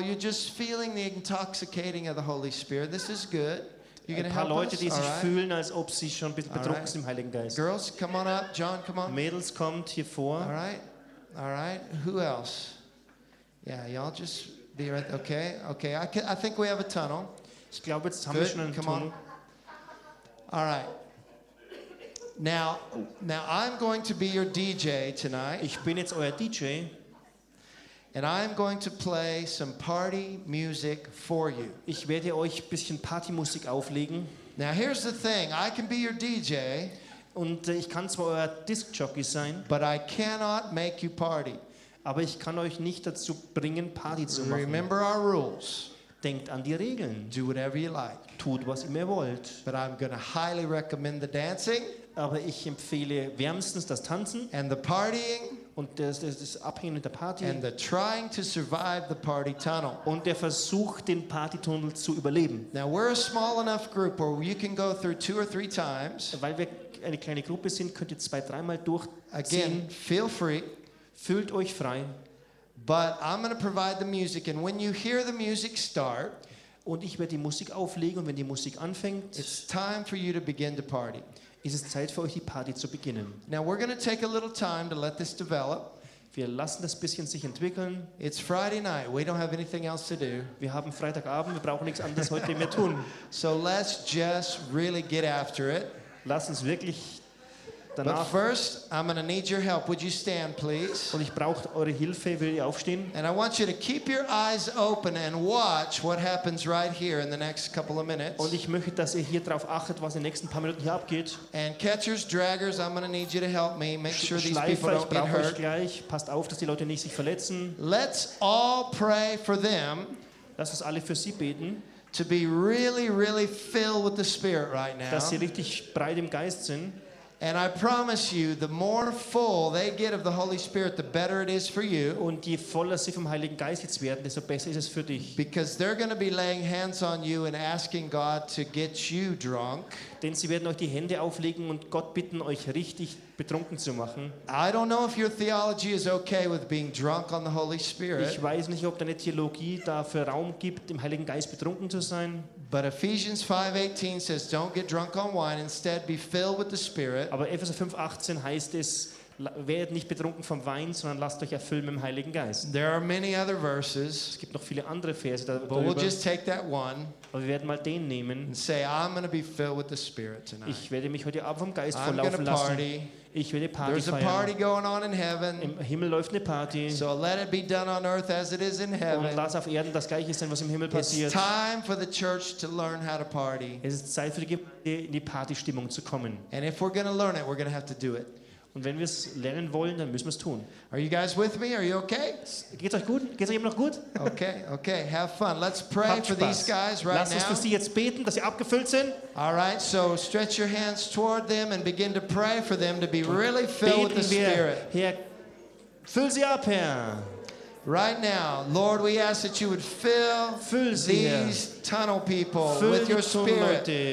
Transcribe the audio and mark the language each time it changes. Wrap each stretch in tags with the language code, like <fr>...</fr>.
<en>You're just feeling the intoxicating of the Holy Spirit. This is good. You're going to help us.</en> <de>Ein paar Leute, die sich fühlen, als ob sie schon ein bisschen betrunken sind im Heiligen Geist.</de> <en>Girls, come on up. John, come on.</en> <de>Mädels, kommt hier vor.</de> <en>All right. All right. Who else? Yeah, y'all just Okay. I think we have a tunnel.</en> <de>Ich glaube, jetzt haben wir schon einen Tunnel.</de> <en>All right. Now, now I'm going to be your DJ tonight.</en> <de>Ich bin jetzt euer DJ.</de> <en>And I'm going to play some party music for you.</en> <de>Ich werde euch ein bisschen Partymusik auflegen.</de> <en>Now here's the thing. I can be your DJ.</en> <de>Und ich kann zwar euer Disc Jockey sein,</de> <en>but I cannot make you party.</en> <de>Aber ich kann euch nicht dazu bringen, Party zu machen.</de> <en>Remember our rules.</en> <de>Denkt an die Regeln.</de> <en>Do whatever you like.</en> <de>Tut, was ihr wollt.</de> <en>But I'm going to highly recommend the dancing.</en> <de>Aber ich empfehle wärmstens das Tanzen.</de> <en>And the partying.</en> <de>Und das Abhängen mit der Party.</de> <en>And the trying to survive the party tunnel.</en> <de>Und der Versuch, den Partytunnel zu überleben.</de> <en>Now we're a small enough group where you can go through two or three times.</en> <de>Weil wir eine kleine Gruppe sind, könnt ihr zwei, dreimal durchziehen.</de> <en>Again, feel free.</en> <de>Fühlt euch frei.</de> <en>But I'm going to provide the music, and when you hear the music start,</en> <de>und ich werde die Musik auflegen, und wenn die Musik anfängt,</de> <en>it's time for you to begin the party.</en> <de>Ist es Zeit für euch, die Party zu beginnen.</de> <en>Now we're going to take a little time to let this develop.</en> <de>Wir lassen das bisschen sich entwickeln.</de> <en>It's Friday night. We don't have anything else to do.</en> <de>Wir haben Freitagabend. Wir brauchen nichts anderes heute mehr tun.</de> <en>So let's just really get after it.</en> <de>Lass uns wirklich.</de> <en>But first, I'm going to need your help. Would you stand, please?</en> <de>Und ich brauche eure Hilfe. Will ihr aufstehen?</de> <en>And I want you to keep your eyes open and watch what happens right here in the next couple of minutes.</en> <de>Und ich möchte, dass ihr hier drauf achtet, was in den nächsten paar Minuten hier abgeht.</de> <en>And catchers, draggers, I'm going to need you to help me. Make sure these people don't get hurt.</en> <de>Schleifer, ich brauche euch gleich. Passt auf, dass die Leute nicht sich verletzen.</de> <en>Let's all pray for them.</en> <de>Lasst uns alle für sie beten.</de> <en>To be really, really filled with the Spirit right now.</en> <de>Dass sie richtig breit im Geist sind.</de> <en>And I promise you, the more full they get of the Holy Spirit, the better it is for you.</en> <de>Und je voller sie vom Heiligen Geist jetzt werden, desto besser ist es für dich.</de> <en>Because they're going to be laying hands on you and asking God to get you drunk.</en> <de>Denn sie werden euch die Hände auflegen und Gott bitten, euch richtig betrunken zu machen.</de> <en>I don't know if your theology is okay with being drunk on the Holy Spirit.</en> <de>Ich weiß nicht, ob deine Theologie dafür Raum gibt, im Heiligen Geist betrunken zu sein.</de> <en>But Ephesians 5:18 says, "Don't get drunk on wine; instead, be filled with the Spirit."</en> <de>Aber Epheser 5:18 heißt es, werdet nicht betrunken vom Wein, sondern lasst euch erfüllen mit dem Heiligen Geist.</de> <en>There are many other verses.</en> <de>Es gibt noch viele andere Verse darüber.</de> <en>But we'll just take that one.</en> <de>Aber wir werden mal den nehmen.</de> <en>And say, "I'm going to be filled with the Spirit tonight."</en> <de>Ich werde mich heute Abend vom Geist volllaufen lassen.</de> <en>I'm going to party.</en> <de>Ich werde Party feiern.</de> <en>There's a party going on in heaven.</en> <de>Im Himmel läuft eine Party.</de> <en>So let it be done on earth as it is in heaven.</en> <de>Und lass auf Erden das Gleiche sein, was im Himmel passiert.</de> <en>It's time for the church to learn how to party.</en> <de>Es ist Zeit für die Gemeinde, in die Partystimmung zu kommen.</de> <en>And if we're going to learn it, we're going to have to do it.</en> <de>Und wenn wir es lernen wollen, dann müssen wir es tun.</de> <en>Are you guys with me? Are you okay?</en> <de>Geht's euch gut? Geht's euch immer noch gut?</de> <en>Okay. Have fun. Let's pray for these guys right now.</en> <de>Lass uns für sie jetzt beten, dass sie abgefüllt sind.</de> <en>All right, so stretch your hands toward them and begin to pray for them to be really filled with the Spirit.</en> <de>Herr, füll sie ab, Herr.</de> <en>Right now, Lord, we ask that you would fill these tunnel people with your Spirit.</en>